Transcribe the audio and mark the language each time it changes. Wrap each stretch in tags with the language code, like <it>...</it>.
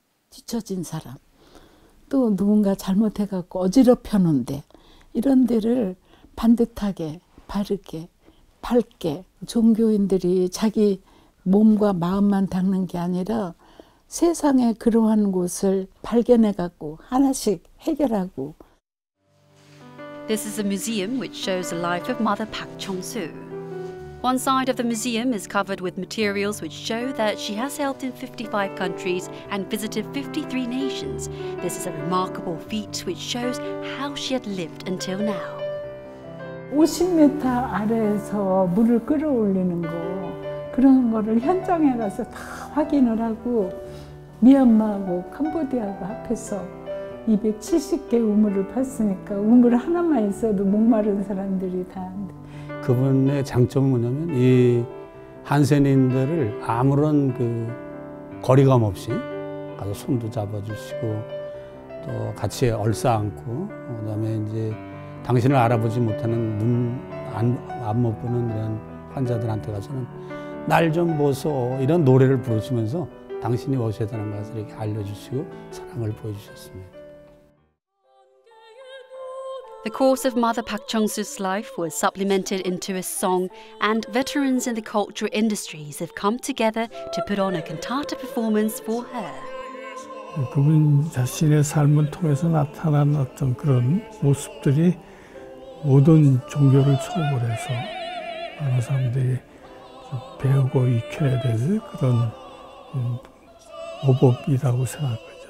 <ko>뒤처진 사람, 또 누군가 잘못해갖고 어지럽혀놓은데 이런 데를 반듯하게 바르게 밝게 종교인들이 자기 몸과 마음만 닦는 게 아니라 세상에 그러한 곳을 발견해갖고 하나씩 해결하고.</ko> <en>This is a museum which shows the life of Mother Pak Chong-soo. One side of the museum is covered with materials which show that she has helped in 55 countries and visited 53 nations. This is a remarkable feat which shows how she had lived until now.</en> <ko>50m 아래에서 물을 끌어올리는 거, 그런 거를 현장에 가서 다 확인을 하고 미얀마하고 캄보디아하고 합해서 270개 우물을 팠으니까 우물 하나만 있어도 목마른 사람들이 다 안 돼. 그분의 장점은 뭐냐면 이 한센인들을 아무런 그 거리감 없이 가서 손도 잡아주시고 또 같이 얼싸안고 그다음에 이제 당신을 알아보지 못하는 눈 안 못 보는 이런 환자들한테 가서는 날 좀 보소 이런 노래를 부르시면서 당신이 오셨다는 것을 이렇게 알려주시고 사랑을 보여주셨습니다.</ko> <en>The course of Mother Pak Chong-soo's life was supplemented into a song, and veterans in the cultural industries have come together to put on a cantata performance for her.</en> <ko>그분 자신의 삶을 통해서 나타난 어떤 그런 모습들이 모든 종교를 초월해서 많은 사람들이 배우고 익혀야 될 그런 오법이라고 생각합니다.</ko>